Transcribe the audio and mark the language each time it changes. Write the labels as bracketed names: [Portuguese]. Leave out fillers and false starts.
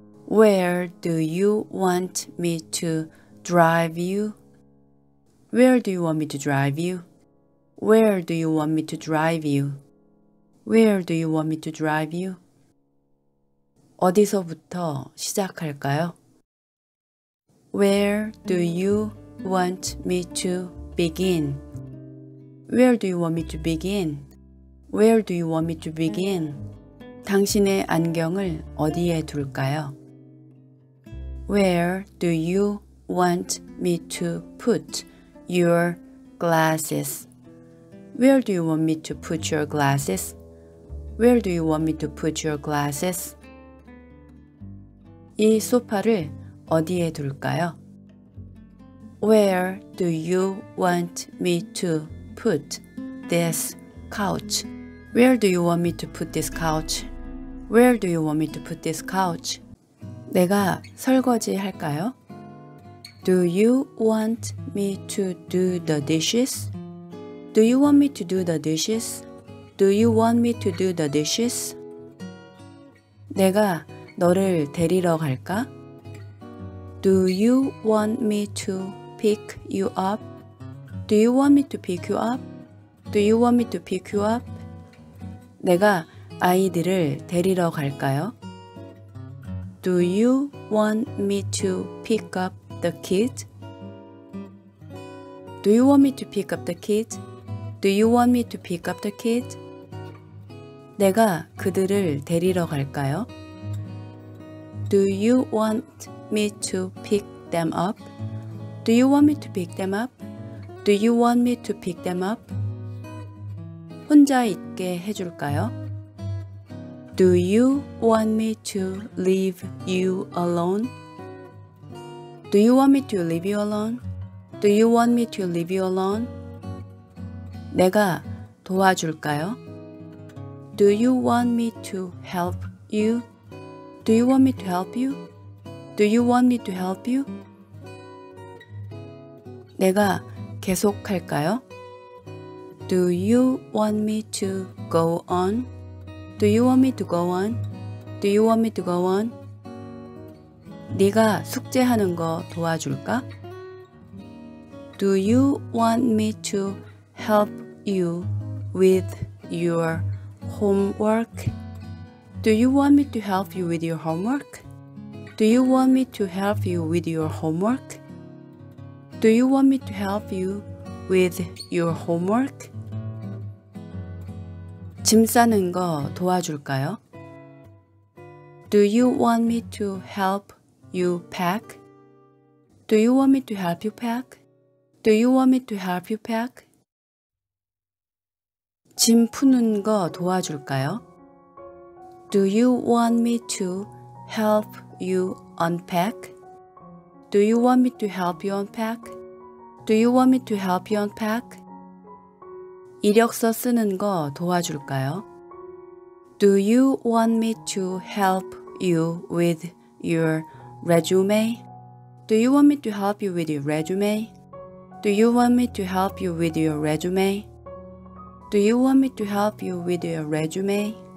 [English] Where do you want me to drive you? Where do you want me to drive you? Where do you want me to drive you? Where do you want me to drive you? [Korean] 어디서부터 시작할까요? [English] Where do you want me to begin? Where do you want me to begin? Where do you want me to begin? [Korean] 당신의 안경을 어디에 둘까요? [English] Where do you want me to put your glasses? Where do you want me to put your glasses? Where do you want me to put your glasses? [Korean] 이 소파를 어디에 둘까요? [English] Where do you want me to put this couch? Where do you want me to put this couch? Where do you want me to put this couch? [Korean] 내가 설거지 할까요? [English] Do you want me to do the dishes? Do you want me to do the dishes? Do you want me to do the dishes? [Korean] 내가 너를 데리러 갈까? [English] Do you want me to pick you up? Do you want me to pick you up? Do you want me to pick you up? [Korean] 내가 아이들을 데리러 갈까요? [English] Do you want me to pick up the kid? Do you want me to pick up the kid? Do you want me to pick up the kid? [Korean] 내가 그들을 데리러 갈까요? [English] Do you want me to pick them up? Do you want me to pick them up? Do you want me to pick them up? [Korean] 혼자 있게 해줄까요? [English] Do you want me to leave you alone? Do you want me to leave you alone? Do you want me to leave you alone? [Korean] 내가 도와줄까요? [English] Do you want me to help you? Do you want me to help you? Do you want me to help you? [Korean] 내가 계속할까요? [English] Do you want me to go on? Do you want me to go on? Do you want me to go on? [Korean] 네가 숙제하는 거 도와줄까? [English] Do you want me to help you with your homework? Do you want me to help you with your homework? Do you want me to help you with your homework? Do you want me to help you with your homework? [Korean] 짐 싸는 거 도와줄까요? [English] Do you want me to help you pack? Do you want me to help you pack? Do you want me to help you pack? [Korean] 짐 푸는 거 도와줄까요? [English] Do you want me to help you unpack? Do you want me to help you unpack? Do you want me to help you unpack? [Korean] 이력서 쓰는 거 도와줄까요? [English] Do you want me to help you with your resume? Do you want me to help you with your resume? Do you want me to help you with your resume? Do you want me to help you with your resume?